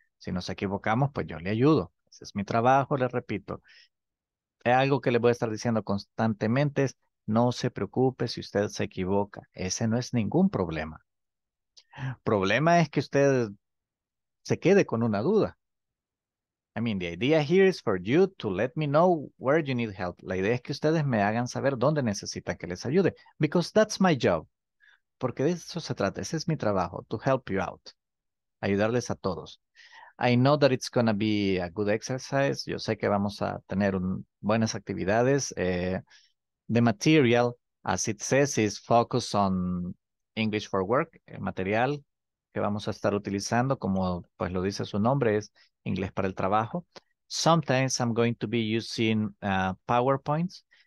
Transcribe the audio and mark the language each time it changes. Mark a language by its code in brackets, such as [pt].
[es] Si nos equivocamos, pues yo le ayudo. Ese es mi trabajo, les repito. Algo que les voy a estar diciendo constantemente es, no se preocupe si usted se equivoca. Ese no es ningún problema. Problema es que usted se quede con una duda. [en] I mean, the idea here is for you to let me know where you need help. [es] La idea es que ustedes me hagan saber dónde necesitan que les ayude. [en] Because that's my job. [es] Porque de eso se trata. Ese es mi trabajo. [en] To help you out. [es] Ayudarles a todos. [en] I know that it's going to be a good exercise. [es] Yo sé que vamos a tener buenas actividades. [en] The material, as it says, is focused on English for Work, [es] el material que vamos a estar utilizando, como pues lo dice su nombre, es Inglés para el Trabajo. [en] Sometimes I'm going to be using PowerPoints.